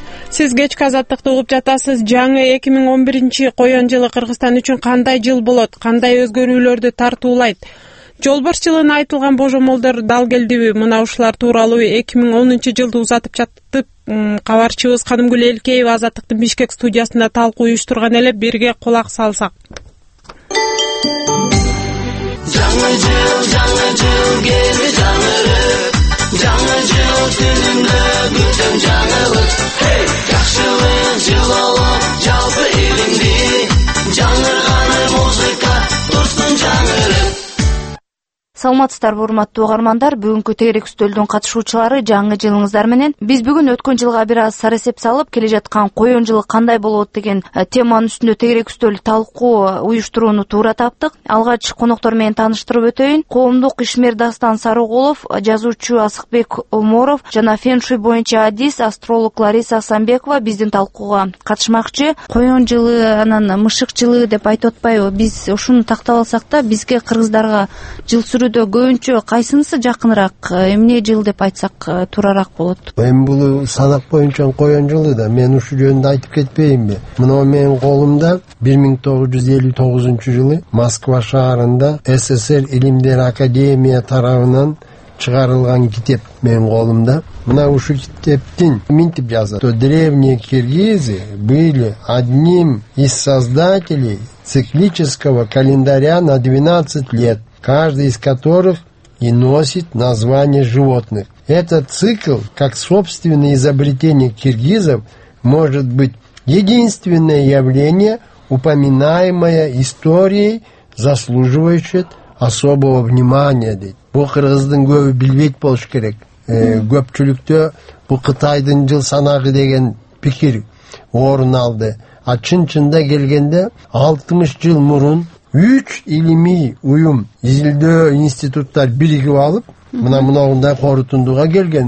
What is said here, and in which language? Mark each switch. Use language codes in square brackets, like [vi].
[ky] Сиз кечки Азаттыкты угуп жатасыз. Жаңы 2011 коён жылы Кыргызстан үчүн кандай жыл болот, кандай өзгөрүүлөрдү тартуулайт? Жолборч жылына айтылган божомолдор дал келдиби? Мына ушулар тууралуу 2010 жылды узатып жатып, кабарчыбыз Каным Гүл Элкеева Азаттыктын Бишкек студиясында талкуу уюштурган эле бирге кулак салсак. Жаңы жыл, жаңы жыл келди жаңырып. Жаңы жыл түнүндө бүтүн жаңылык. Эй, жакшылык жыл болот жалпы элимди. Жаңырганы музыка, турсун жаңырып. Саламатсыздарбы, урматтуу угармандар, бүгүнкү терек үстөлдүн катышуучулары, жаңы жылыңыздар менен. Биз бүгүн өткөн жылга бир аз сара эсеп салып, келе жаткан коюн жылы кандай болот деген теманын үстүндө терек үстөл талкуу уюштурууну туура таптык. Алгач коноктор менен тааныштырып өтөйүн. Коомдук ишмер Дастан Сарыголов, жазуучу Асыкбек Уморов жана фен-шуй боюнча адис астролог Лариса Асанбекова биздин талкууга катышмакчы. Коюн жылы анан мышык жылы деп айтып атпайбы? Биз ушуну тактап алсак да, бизге кыргыздарга жыл сүрүүдө көбүнчө кайсынысы жакыныраак, эмне жыл деп айтсак туураак болот? Эми бул санак боюнча коюн жылы да, мен ушул жөнүндө айтып кетпейинби? Муну менин колумда 1959 жылы Москва шаарында СССР Илимдер Академия тарабынан чыгарылган китеп менин колумда. Мына ушул китептин минтип жазат: [ru] то древние киргизы были одним из создателей циклического календаря на 12 лет, каждый из которых и носит название животных. Этот цикл, как собственное изобретение киргизов, может быть единственное явление, упоминаемое историей, заслуживающее особого внимания. [ky] Бул кыргыздын көбү билбейт болуш керек. Көпчүлүктө бул Кытайдын жыл санагы деген пикир орун алды. А чын-чында келгенде 60 жыл мурун 3 илимий уюм, изилдөө институттар биригип алып, мындай корутундуга келген.